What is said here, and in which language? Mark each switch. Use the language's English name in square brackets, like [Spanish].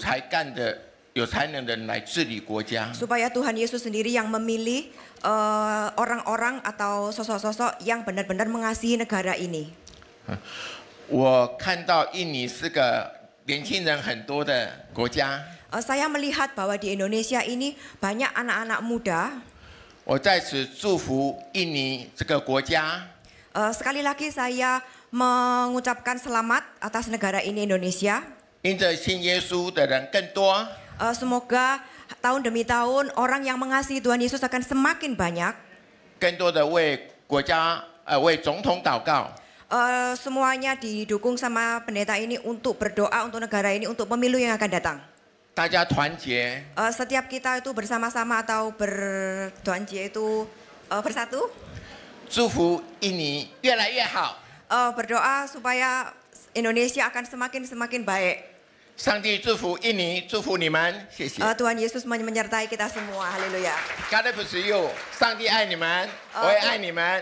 [Chinese] 让上帝选择爱国爱人的有才干的有才能的人来治理国家。 [Indonesian] Supaya Tuhan Yesus sendiri yang memilih orang-orang atau sosok-sosok yang benar-benar mengasihi negara ini. [Chinese] 我看到印尼是个年轻人很多的国家。 [Indonesian] Saya melihat bahwa di Indonesia ini banyak anak-anak muda. [Chinese] 我再次祝福印尼这个国家。 [Indonesian] Sekali lagi saya mengucapkan selamat atas negara ini Indonesia. [Chinese] 因着信耶稣的人更多。 [Indonesian] Semoga tahun demi tahun orang yang mengasihi Tuhan Yesus akan semakin banyak. [Chinese] 更多的为国家, 为总统祷告。 [Indonesian] Semuanya didukung sama pendeta ini untuk berdoa untuk negara ini untuk pemilu yang akan datang. [Chinese] 大家团结, [Indonesian] setiap kita itu bersama-sama atau berdoanjie itu bersatu. [Chinese] 祝福印尼越来越好。 [Indonesian] Berdoa supaya Indonesia akan semakin baik. [Chinese] 上帝祝福印尼，祝福你们，谢谢。 [Indonesian] Tuhan Yesus menyertai kita semua, Haleluya. [English] God bless you. [Chinese] 上帝爱你们，我也爱你们。